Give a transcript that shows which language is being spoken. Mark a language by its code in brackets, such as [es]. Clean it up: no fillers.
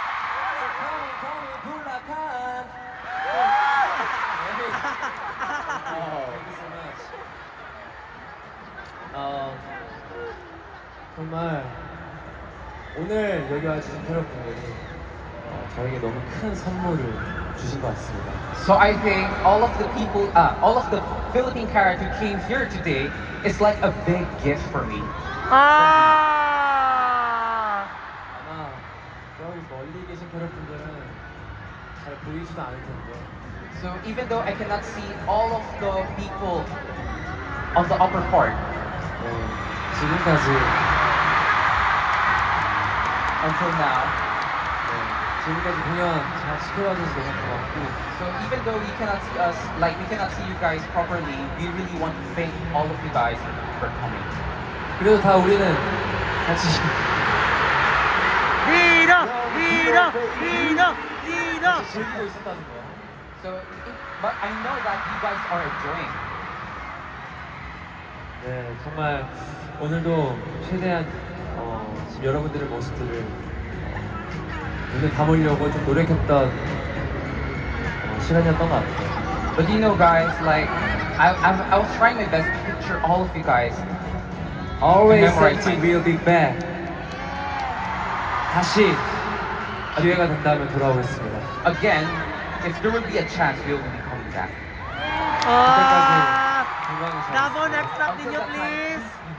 [en] Call me Bulacan! Thank you so much. [ko] 정말 오늘 여기 와주신 여러분들이 저에게 너무 큰 선물을 주신 것 같습니다. [en] So I think all of the people, all of the Philippine characters who came here today is like a big gift for me. 아. [ko] 아마 여기 멀리 계신 여러분들은 잘 보이지도 않을 텐데. [en] So even though I cannot see all of the people on the upper part. [ko] 네, 지금까지. [en] Until now. [ko] 네, 지금까지 공연 잘 지켜봐주셔서 너무 고맙고. [en] So even though we cannot see us, like we cannot see you guys properly, we really want to thank all of you guys for coming. [ko] 그래도 다 우리는 같이. 리더, 리더, 리더, 리더. 즐기고 있었다는 거야. [en] So, but I know that you guys are enjoying. [ko] 네, 정말 오늘도 최대한. 지금 여러분들의 모습들을 눈에 담으려고 좀 노력했던 시간이었던 것 같아요. [en] But you know, guys, like I was trying my best to picture all of you guys. Always thinking we'll be back. [ko] 다시 기회가 된다면 돌아오겠습니다. [en] Again, if there will be a chance, we'll be coming back. [ko] 그때까지 건강하세요. 나보 next up, 니요, please.